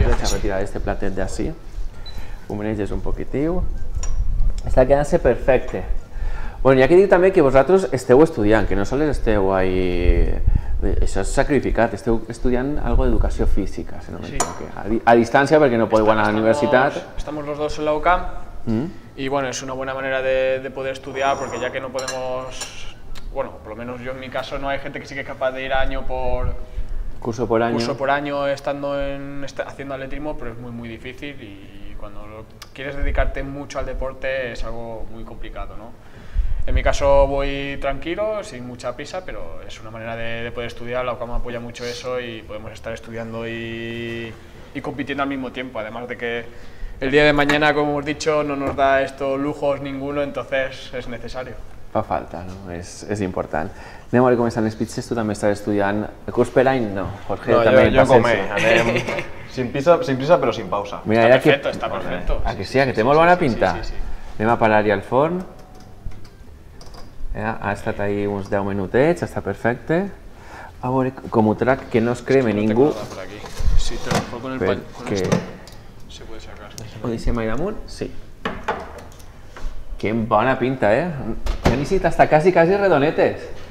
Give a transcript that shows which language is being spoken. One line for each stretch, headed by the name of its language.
Catalan: deixa retirar este platet d'ací, ho meneges un poquitiu, està quedant-se perfecte. Bueno, i aquí dic també que vosaltres esteu estudiant, que no sols esteu ahí, això és sacrificat, esteu estudiant algo d'educació física, si no me equivoco, a distància perquè no podeu anar a la universitat.
Spanish: Estamos los dos en la UCAM, y bueno, es una buena manera de poder estudiar, porque ya que no podemos, bueno, por lo menos yo en mi caso no hay gente que sí que es capaz de ir año por... Curso por año. Curso por año estando en, haciendo atletismo, pero es muy muy difícil y cuando quieres dedicarte mucho al deporte es algo muy complicado, ¿no? En mi caso voy tranquilo, sin mucha prisa, pero es una manera de poder estudiar, la UCAM apoya mucho eso y podemos estar estudiando y compitiendo al mismo tiempo, además de que el día de mañana, como hemos dicho, no nos da estos lujos ninguno, entonces es necesario.
Catalan: Fa falta, no? És important. Anem a veure com estan les pizzas, tu també estàs estudiant. El curs per any, no, Jorge, també. No, jo com he, anem
Spanish: sin prisa,
Catalan: però
Spanish: sin pausa.
Catalan: Està perfecto, està perfecto. Aquí sí, que té molt bona pinta. Anem a parar-hi al forn. Ha estat ahí uns 10 minutets, està perfecte. A veure, com ho trac, que no es creme ningú.
Spanish: Si te lo pongo en el pan, con esto, se puede sacar.
Catalan: Ho deixem ahí damunt? Sí. Quina bona pinta, eh? Han sigut hasta casi casi redonetes.